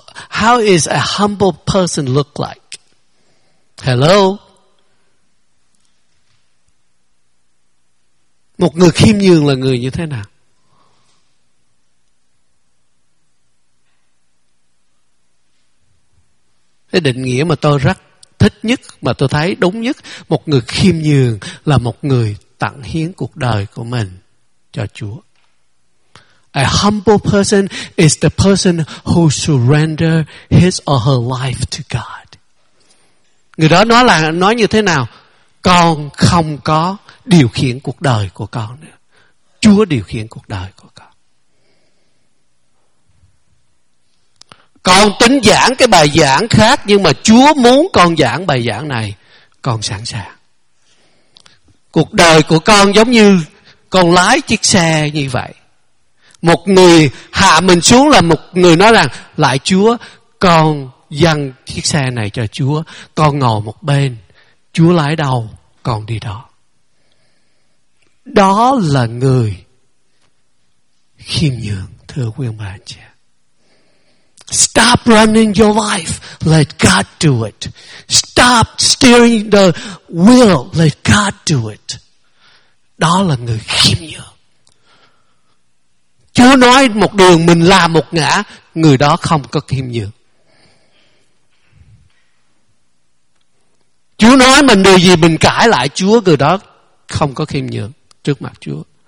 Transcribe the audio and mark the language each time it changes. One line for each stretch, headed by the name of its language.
English: How is a humble person look like? Hello?
Vietnamese: Một người khiêm nhường là người như thế nào? Cái định nghĩa mà tôi rất thích nhất, mà tôi thấy đúng nhất, một người khiêm nhường là một người tặng hiến cuộc đời của mình cho Chúa.
English: A humble person is the person who surrenders his or her life to God.
Vietnamese: Người đó nói là nói như thế nào? Con không có điều khiển cuộc đời của con nữa. Chúa điều khiển cuộc đời của con. Con tính giảng cái bài giảng khác, nhưng mà Chúa muốn con giảng bài giảng này, con sẵn sàng. Cuộc đời của con giống như con lái chiếc xe như vậy. Một người hạ mình xuống là một người nói rằng: lại Chúa, con dâng chiếc xe này cho Chúa, con ngồi một bên, Chúa lái đâu con đi đó. Đó là người khiêm nhường, thưa quý ông bà anh chị.
English: Stop running your life, let God do it. Stop steering the wheel, let God do it.
Vietnamese: Đó là người khiêm nhường. Chúa nói một đường, mình làm một ngã, người đó không có khiêm nhường. Chúa nói mình điều gì, mình cãi lại Chúa, người đó không có khiêm nhường trước mặt Chúa.